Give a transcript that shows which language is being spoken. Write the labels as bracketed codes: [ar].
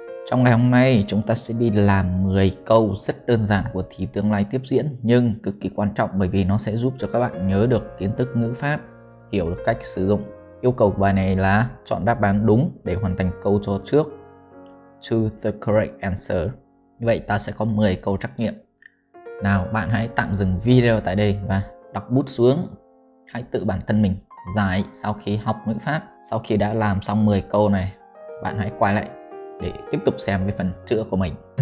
[vi] Trong ngày hôm nay, chúng ta sẽ đi làm 10 câu rất đơn giản của Thì Tương Lai Tiếp Diễn, nhưng cực kỳ quan trọng bởi vì nó sẽ giúp cho các bạn nhớ được kiến thức ngữ pháp, hiểu được cách sử dụng. Yêu cầu của bài này là chọn đáp án đúng để hoàn thành câu cho trước. [en] Choose the correct answer. [vi] Vậy ta sẽ có 10 câu trắc nghiệm. Nào, bạn hãy tạm dừng video tại đây và đặt bút xuống. Hãy tự bản thân mình giải sau khi học ngữ pháp, sau khi đã làm xong 10 câu này, bạn hãy quay lại để tiếp tục xem cái phần chữa của mình.